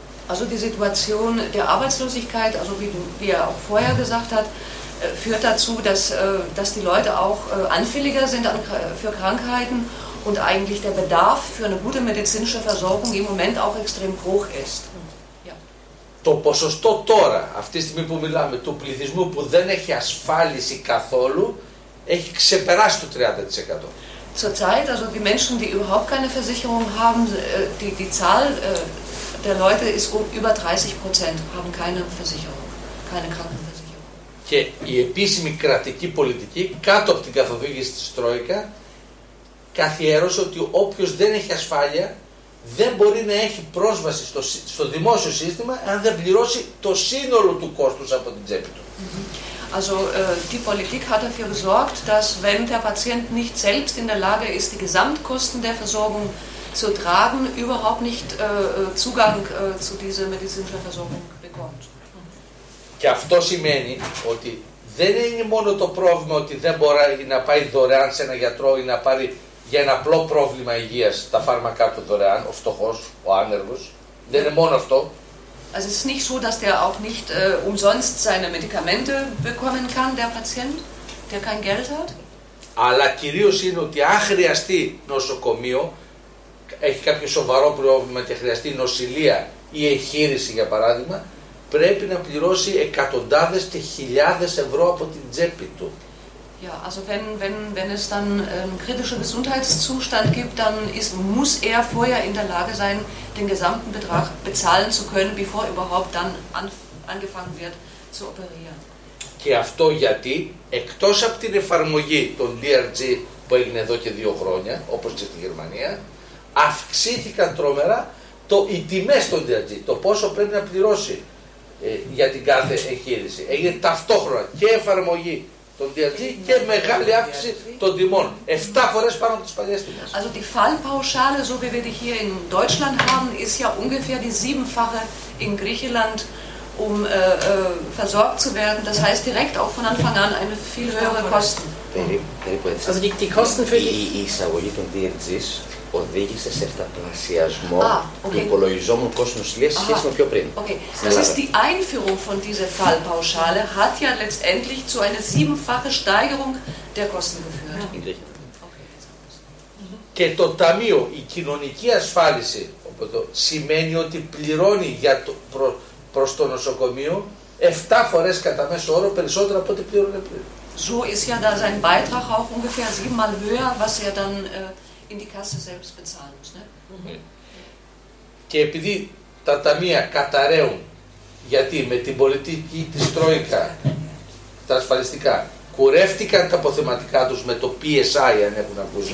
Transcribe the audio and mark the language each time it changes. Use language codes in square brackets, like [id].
[de] Also die Situation der Arbeitslosigkeit, also wie er auch vorher gesagt hat, führt dazu, dass die Leute auch anfälliger sind für Krankheiten und eigentlich der Bedarf für eine gute medizinische Versorgung im Moment auch extrem hoch ist. Ja. [el] Το ποσοστό τώρα, αυτή τη στιγμή που μιλάμε, του πληθυσμού που δεν έχει ασφάλιση καθόλου, έχει ξεπεράσει το 30%. [de] Zurzeit, also die Menschen, die überhaupt keine Versicherung haben, die Zahl der Leute ist über 30% haben keine Versicherung. keine Krankenversicherung. [el] Και η επίσημη κρατική πολιτική κάτω από την καθοδήγηση της Τρόικα καθιέρωσε ότι όποιος δεν έχει ασφάλεια δεν μπορεί να έχει πρόσβαση στο δημόσιο σύστημα αν δεν πληρώσει το σύνολο του κόστους από την τσέπη του. [de] Also die Politik hat dafür gesorgt, dass wenn der Patient nicht selbst in der Lage ist, die Gesamtkosten der Versorgung zu tragen, überhaupt nicht Zugang zu dieser medizinischen Versorgung bekommt. [el] Και αυτό σημαίνει ότι δεν είναι μόνο το πρόβλημα ότι δεν μπορεί να πάει δωρεάν σε ένα γιατρό ή να πάρει για ένα απλό πρόβλημα υγείας τα φάρμακά του δωρεάν, ο φτωχός, ο άνεργος. Δεν είναι μόνο αυτό. [de] Also es ist nicht so, dass der auch nicht umsonst seine Medikamente bekommen kann, der Patient, der kein Geld hat. [el] Αλλά κυρίως είναι ότι αν χρειαστεί νοσοκομείο, έχει κάποιο σοβαρό πρόβλημα και χρειαστεί νοσηλεία ή εγχείρηση για παράδειγμα, πρέπει να πληρώσει εκατοντάδες και χιλιάδες ευρώ από την τσέπη του. [de] Ja, also wenn es dann einen kritischen Gesundheitszustand gibt, dann muss er vorher in der Lage sein, den gesamten Betrag bezahlen zu können, bevor überhaupt dann angefangen wird zu operieren. [el] Και αυτό γιατί, εκτός από την εφαρμογή των DRG που έγινε εδώ και δύο χρόνια, όπως και στη Γερμανία, αυξήθηκαν τρομερά οι τιμές των DRG, το πόσο πρέπει να πληρώσει για την κάθε εγχείρηση. Έγινε ταυτόχρονα και εφαρμογή των DRG και μεγάλη αύξηση των τιμών. 7 φορές πάνω από τις παλιές τιμές. [de] Also die Fallpauschale, so wie wir die hier in Deutschland haben, ist ja ungefähr die siebenfache in Griechenland, um versorgt zu werden. Das heißt direkt auch von Anfang an eine viel höhere Kosten. Also die Kosten für die [el] Εισαγωγή των DRG οδήγησε σε επταπλασιασμό του υπολογισμού κόστου νοσηλείας σε σχέση με πιο πριν. Okay. [de] Das ist die Einführung von dieser Fallpauschale hat ja letztendlich zu einer siebenfache Steigerung der Kosten geführt. [el] Και το ταμείο, η κοινωνική ασφάλιση, σημαίνει ότι πληρώνει προς το νοσοκομείο 7 φορές κατά μέσο όρο περισσότερο από ό,τι πληρώνε πριν. [de] So ist ja da sein Beitrag auch ungefähr 7 mal höher, was er dann in die Kasse selbst bezahlen muss. Ne? Mm-hmm. [el] Και επειδή τα ταμεία καταραίουν, γιατί με την πολιτική της Τρόικα, τα ασφαλιστικά, κουρεύτηκαν τα αποθεματικά τους με το PSI, αν έχουν ακούσει.